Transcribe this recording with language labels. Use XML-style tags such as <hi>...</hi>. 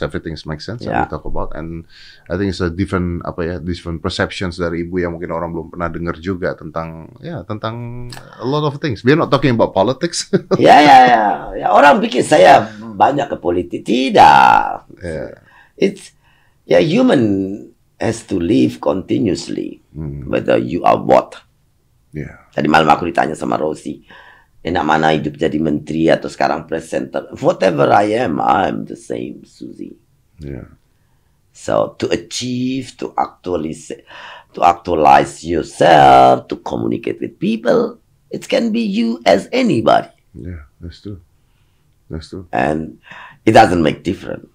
<en>Everything makes sense that we talk about, and I think it's a different</en> <id>apa ya,</id> <en>different perceptions</en> <id>dari ibu yang mungkin orang belum pernah dengar juga tentang tentang</id> <en>a lot of things. We're not talking about politics.</en> <id>Yeah. Orang bikin saya banyak ke politik, tidak.</id> <en>Yeah. It's human has to live continuously, whether you are what.</en> <id>Tadi malam aku ditanya sama Rosie, enak mana hidup jadi menteri atau sekarang presenter.</id> <en>Whatever I am, I'm the same, Susie. Yeah. So to achieve, to actualize yourself, to communicate with people, it can be you as anybody. Yeah, that's true. That's true. And it doesn't make different.</en>